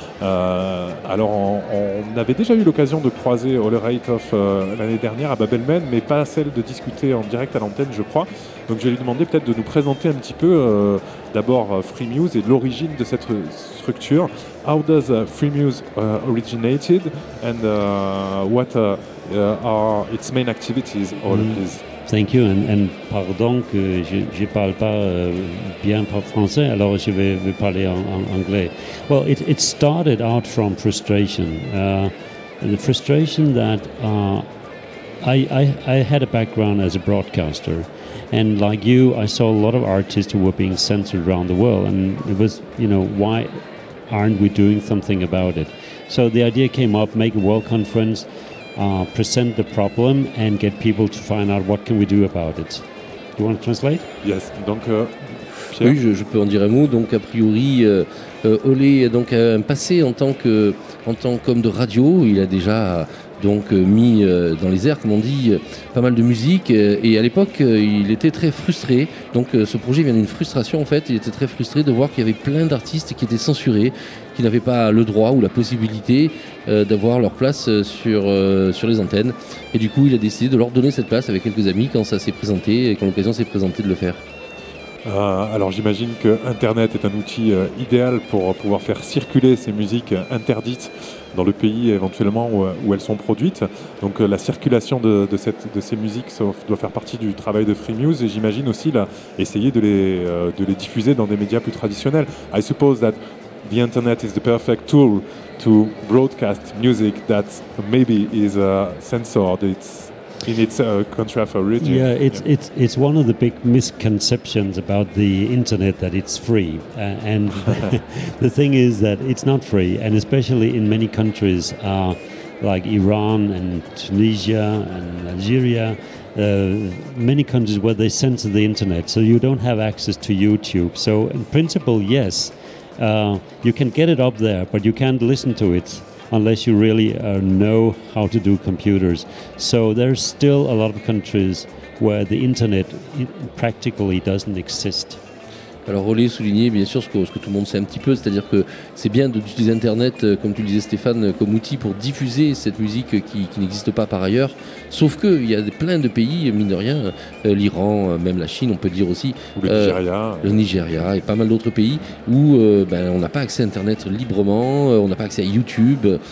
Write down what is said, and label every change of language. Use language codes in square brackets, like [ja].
[fr] Alors, on avait déjà eu l'occasion de croiser Ole Reithoff l'année dernière à Babelmed, mais pas celle de discuter en direct à l'antenne, je crois. Donc, je vais lui demander peut-être de nous présenter un petit peu d'abord FreeMuse et de l'origine de cette structure. [en] How does FreeMuse originated and what are its main activities, Ole, please? Thank you, and [fr] pardon que je parle pas bien français, [en] alors je vais parler en anglais. Well, it started out from frustration. The frustration that I had a background as a broadcaster, and like you, I saw a lot of artists who were being censored around the world, and it was, you know, why aren't we doing something about it? So the idea came up, make a world conference, present the problem and get people to find out what can we do about it. Do you want to translate? Yes. [fr] Donc, oui, je peux en dire un mot. Donc, a priori, Ole a donc un passé en tant qu'homme de radio. Il a déjà donc mis dans les airs, comme on dit, pas mal de musique. Et à l'époque, il était très frustré. Donc, ce projet vient d'une frustration, en fait. Il était très frustré de voir qu'il y avait plein d'artistes qui étaient censurés, qui n'avaient pas le droit ou la possibilité d'avoir leur place sur les antennes. Et du coup, il a décidé de leur donner cette place avec quelques amis quand ça s'est présenté et quand l'occasion s'est présentée de le faire. Alors, j'imagine que Internet est un outil idéal pour pouvoir faire circuler ces musiques interdites dans le pays éventuellement où elles sont produites. Donc, la circulation de ces musiques doit faire partie du travail de FreeMuse, et j'imagine aussi essayer de les diffuser dans des médias plus traditionnels. [en] I suppose that the Internet is the perfect tool to broadcast music that maybe is censored. In its country of origin. Yeah, it's one of the big misconceptions about the internet that it's free. And the thing is that it's not free, and especially in many countries like Iran and Tunisia and Algeria, many countries where they censor the internet, so you don't have access to YouTube. So in principle, yes, you can get it up there, but you can't listen to it unless you really know how to do computers. So there's still a lot of countries where the internet practically doesn't exist. [fr] Alors, Ole soulignait bien sûr ce que tout le monde sait un petit peu, c'est-à-dire que c'est bien d'utiliser Internet, comme tu le disais Stéphane, comme outil pour diffuser cette musique qui n'existe pas par ailleurs. Sauf qu'il y a plein de pays, mine de rien, l'Iran, même la Chine, on peut dire aussi. Le Nigeria et pas mal d'autres pays où on n'a pas accès à Internet librement, on n'a pas accès à YouTube.